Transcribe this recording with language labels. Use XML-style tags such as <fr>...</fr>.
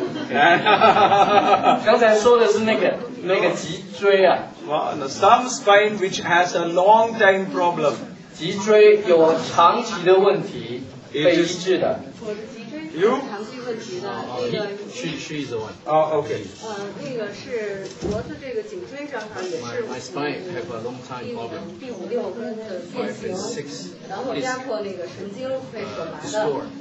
<zh>刚才说的是那个脊椎啊。</zh> <en>Some spine which has a long time problem.</en> <zh>脊椎有长期的问题被医治的。我的脊椎是长期问题的。</zh> <en>She's the one. Oh, okay.</en> <zh>那个是脖子这个颈椎上也是。</zh> <en>My spine have a long time problem.</en> <zh>第五六根的变形，然后压迫那个神经被所拔的。</zh>